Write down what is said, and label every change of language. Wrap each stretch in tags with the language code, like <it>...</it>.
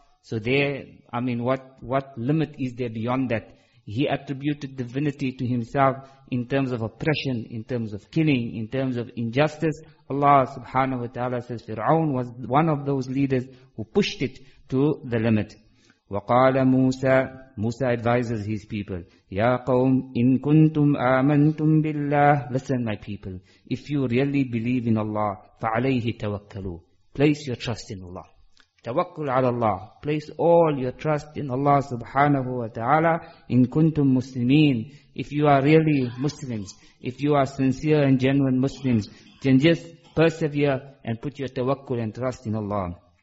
<en>So there, I mean, what limit is there beyond that? He attributed divinity to himself in terms of oppression, in terms of killing, in terms of injustice. Allah subhanahu wa ta'ala says, Fir'aun was one of those leaders who pushed it to the limit.</en> <ar>وَقَالَ مُوسَى.</ar> <en>Musa advises his people,</en> <ar>يَا قَوْمْ إِن كُنْتُمْ آمَنْتُمْ بِاللَّهِ.</ar> <en>Listen, my people, if you really believe in Allah,</en> <ar>فَعَلَيْهِ تَوَكَّلُوا.</ar> <en>Place your trust in Allah.</en> <ar>تَوَكُّلْ عَلَى اللَّهِ.</ar> <en>Place all your trust in Allah subhanahu wa ta'ala.</en> <ar>إِن كُنْتُمْ مُسْلِمِينَ.</ar> <en>If you are really Muslims, if you are sincere and genuine Muslims, then just persevere and put your tawakkul and trust in Allah.</en>